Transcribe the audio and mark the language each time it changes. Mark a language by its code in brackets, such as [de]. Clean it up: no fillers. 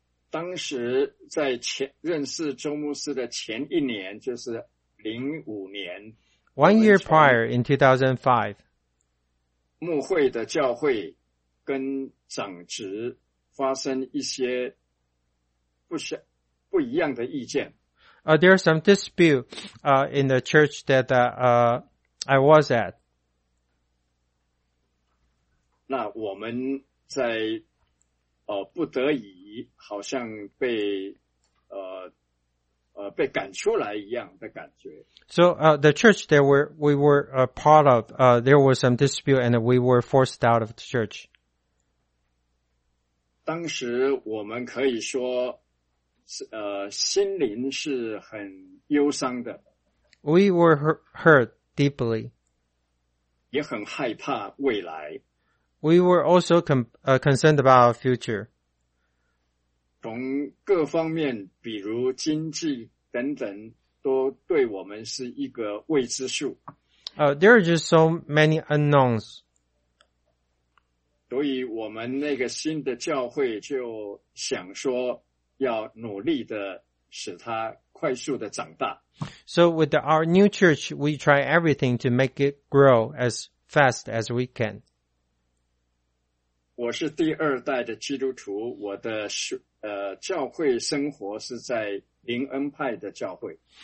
[zh] 当时在认识周牧师的前一年，就是05年。 [en] One year prior, in 2005. [zh] 牧会的教会跟长职发生一些不一样的意见。 [en] there is some dispute in the church that I was at. [zh] 那我们在不得已好像被被赶出来一样的感觉。 [en] So, the church that we were a part of, there was some dispute and we were forced out of the church. [zh] 当时我们可以说心灵是很忧伤的。 [en] We were hurt deeply. [zh] 也很害怕未来。 [en] We were also concerned about our future. [zh] 从各方面比如经济等等都对我们是一个未知数。 [en] There are just so many unknowns. [zh] 所以我们那个新的教会就想说要努力的使它快速的长大。 [en] So with our new church, we try everything to make it grow as fast as we can. [zh] 我是第二代的基督徒，我的教会生活是在灵恩派的教会。